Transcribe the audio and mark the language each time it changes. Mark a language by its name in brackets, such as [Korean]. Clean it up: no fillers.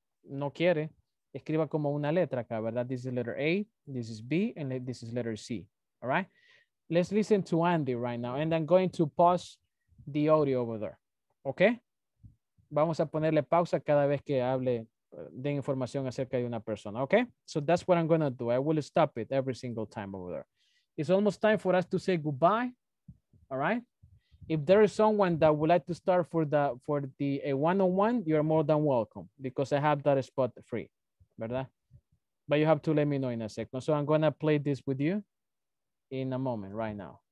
[Spanish] no quiere, escriba como una letra acá, ¿verdad? [English] This is letter A, this is B, and this is letter C. All right? Let's listen to Andy right now, and I'm going to pause the audio over there. Okay? [Spanish] Vamos a ponerle pausa cada vez que hable de información acerca de una persona. [English] Okay? So that's what I'm going to do. I will stop it every single time over there. It's almost time for us to say goodbye. All right? If there is someone that would like to start for the one-on-one, you're more than welcome because I have that spot free, ¿verdad? But you have to let me know in a second. So I'm going to play this with you in a moment right now.